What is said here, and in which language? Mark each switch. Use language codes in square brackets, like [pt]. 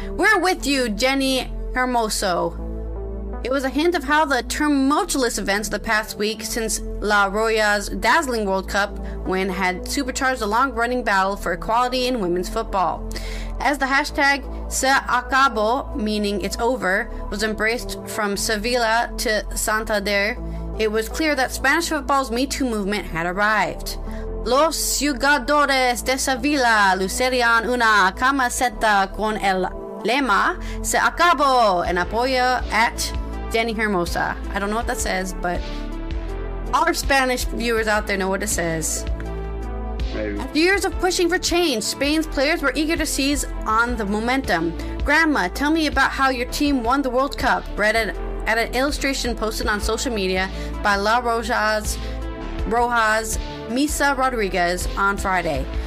[en] We're with you, Jenny Hermoso. It was a hint of how the tumultuous events of the past week since La Roja's dazzling World Cup win had supercharged a long-running battle for equality in women's football. As the hashtag Se Acabo, meaning it's over, was embraced from Sevilla to Santander, it was clear that Spanish football's Me Too movement had arrived. [es] Los jugadores de Sevilla lucerían una camiseta con el lema Se Acabo en apoyo at Jenny Hermosa. [en] I don't know what that says, but our Spanish viewers out there know what it says. After years of pushing for change, Spain's players were eager to seize on the momentum. Grandma, tell me about how your team won the World Cup, read at an illustration posted on social media by La Roja's Misa Rodriguez on Friday.